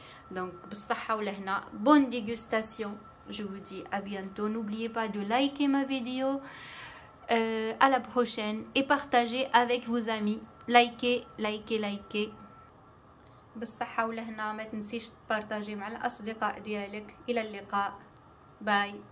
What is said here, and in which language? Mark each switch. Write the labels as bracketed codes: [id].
[ar] دونك بالصحة ولهنا بون ديغوستاسيون. [fr] Je vous dis à bientôt. N'oubliez pas de liker ma vidéo. À la prochaine. Et partagez avec vos amis. Likez, likez, likez. [ar] بالصحة ولهنا ما تنسيش تبارتاجي مع الأصدقاء ديالك. إلى اللقاء. Bye.